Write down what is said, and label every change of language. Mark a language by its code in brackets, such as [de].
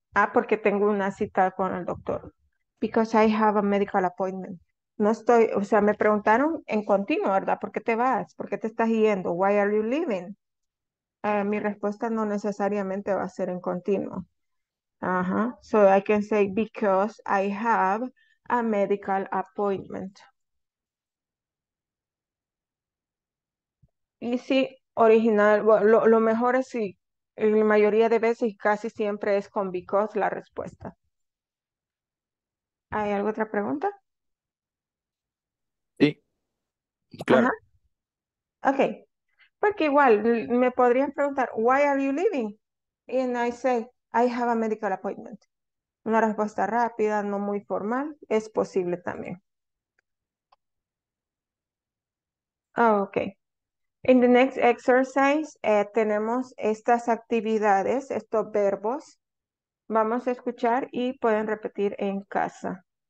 [es] Ah, porque tengo una cita con el doctor. [en] Because I have a medical appointment. [es] No estoy, o sea, me preguntaron en continuo, ¿verdad? ¿Por qué te vas? ¿Por qué te estás yendo? [en] Why are you leaving? [es] Mi respuesta no necesariamente va a ser en continuo. Ajá. [en] So I can say because I have a medical appointment. [es] Y sí, original, lo mejor es si la mayoría de veces y casi siempre es con because la respuesta. ¿Hay alguna otra pregunta? Claro. Uh-huh. Okay. Porque igual me podrían preguntar [en] why are you leaving? And I say I have a medical appointment. [es] Una respuesta rápida, no muy formal, es posible también. [en] Okay. In the next exercise, [es] tenemos estas actividades, estos verbos. Vamos a escuchar y pueden repetir en casa.